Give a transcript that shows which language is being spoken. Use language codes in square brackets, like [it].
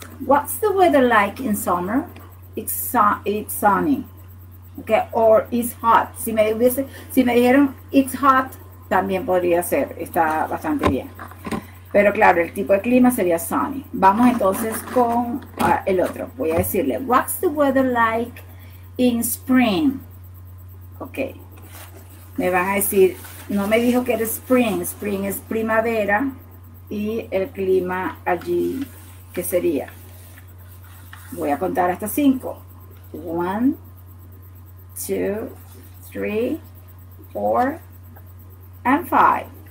[en] What's the weather like in summer? It's sunny. Okay. Or it's hot. [es] Si me dijeron it's hot, también podría ser. Está bastante bien. Pero claro, el tipo de clima sería sunny. Vamos entonces con el otro. Voy a decirle, [en] what's the weather like in spring? [es] Ok. Me van a decir, no me dijo que era spring. Spring es primavera y el clima allí, ¿qué sería? Voy a contar hasta 5. 1, 2, 3, 4, and 5.